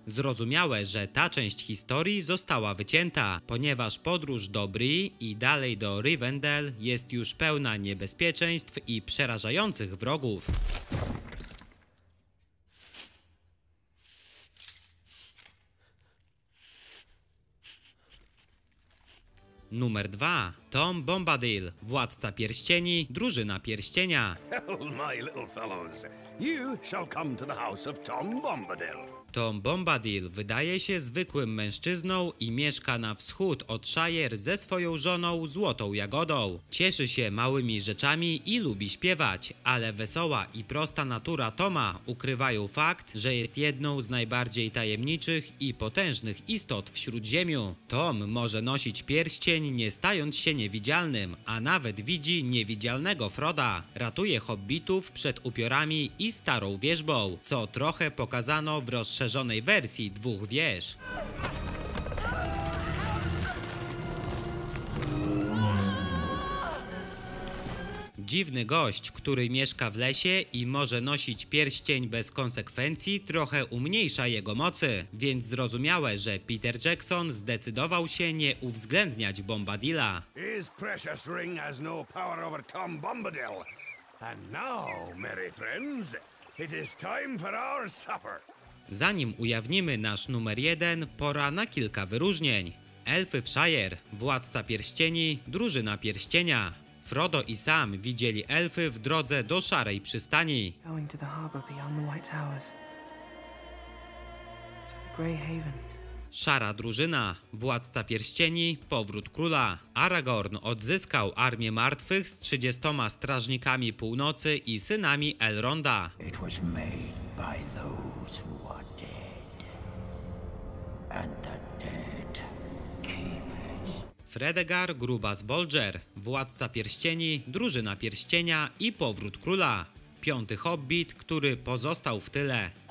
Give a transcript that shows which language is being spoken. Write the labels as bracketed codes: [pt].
[pl] Zrozumiałe, że ta część historii została wycięta, ponieważ podróż do Bri i dalej do Rivendell jest już pełna niebezpieczeństw i przerażających wrogów. Numer 2. Tom Bombadil, Władca Pierścieni, Drużyna Pierścienia. [en] Well, my little fellows, you shall come to the house of Tom Bombadil. [pl] Tom Bombadil wydaje się zwykłym mężczyzną i mieszka na wschód od Shire ze swoją żoną Złotą Jagodą. Cieszy się małymi rzeczami i lubi śpiewać, ale wesoła i prosta natura Toma ukrywają fakt, że jest jedną z najbardziej tajemniczych i potężnych istot w Śródziemiu. Tom może nosić pierścień, nie stając się niewidzialnym, a nawet widzi niewidzialnego Froda. Ratuje hobbitów przed upiorami i starą wierzbą, co trochę pokazano w rozszerzonej wersji dwóch wież. Dziwny gość, który mieszka w lesie i może nosić pierścień bez konsekwencji, trochę umniejsza jego mocy, więc zrozumiałe, że Peter Jackson zdecydował się nie uwzględniać Bombadila. [en] His precious ring has no power over Tom Bombadil. And now, merry friends, it is time for our supper. [pl] Zanim ujawnimy nasz numer 1, pora na kilka wyróżnień. Elfy w Shire, Władca Pierścieni, Drużyna Pierścienia. Frodo i Sam widzieli elfy w drodze do Szarej Przystani. [en] The [pl] Szara drużyna, Władca Pierścieni, Powrót Króla. Aragorn odzyskał Armię Martwych z 30 strażnikami północy i synami Elronda. [en] It was made by those who are dead. And the dead keep it. [pl] Fredegar Grubas Bolger, Władca Pierścieni, Drużyna Pierścienia i Powrót Króla. Piąty hobbit, który pozostał w tyle.